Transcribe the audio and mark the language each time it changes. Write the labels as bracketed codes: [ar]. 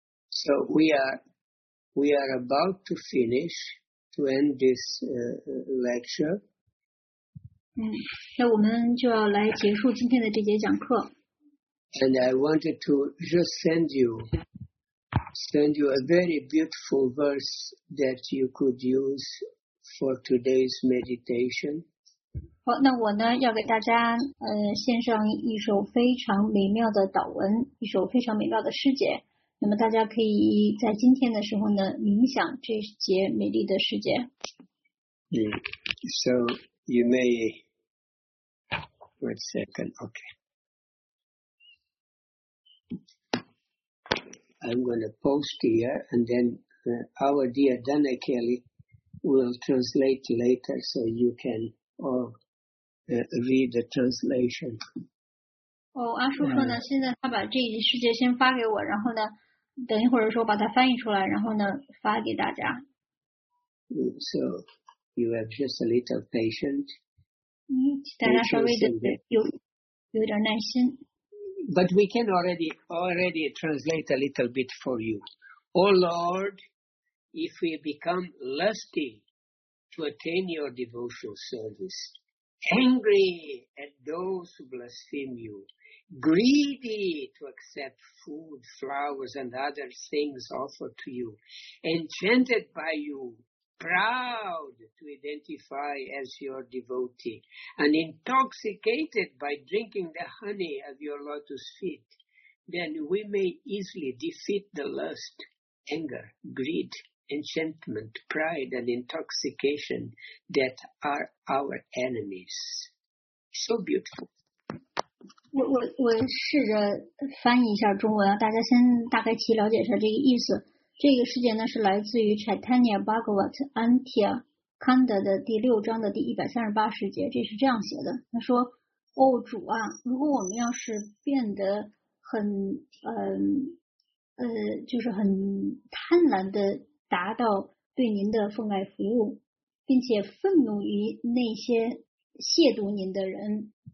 [en] So we are about to finish to end this lecture. [zh] 那我们就要来结束今天的这节讲课。 [en] And I wanted to just send you a very beautiful verse that you could use for today's meditation. [zh] 好，那我呢要给大家献上一首非常美妙的祷文，一首非常美妙的诗节。那么大家可以在今天的时候呢冥想这节美丽的诗节。 [en] So you may wait a second. Okay. I'm going to post here, and then our dear Dana Kelly will translate later, so you can all read the translation. [zh] Oh, 阿叔说呢，现在他把这一世界先发给我，然后呢，等一会儿的时候把它翻译出来，然后呢发给大家。 [en] So you have just a little patience. [zh] 大家稍微的有点耐心。 [en] But we can already translate a little bit for you. O Lord, if we become lusty to attain your devotional service, angry at those who blaspheme you, greedy to accept food, flowers, and other things offered to you, enchanted by you,Proud to identify as your devotee, and intoxicated by drinking the honey of your lotus feet, then we may easily defeat the lust, anger, greed, enchantment, pride, and intoxication that are our enemies. So beautiful. [zh] 我试着翻译一下中文，大家先大概齐了解一下这个意思。这个事件呢是来自于 Chaitanya Bhagavat Antya Kanda 的第六章的第138十节，这是这样写的，他说，哦主啊，如果我们要是变得很就是很贪婪的达到对您的奉爱服务，并且愤怒于那些亵渎您的人，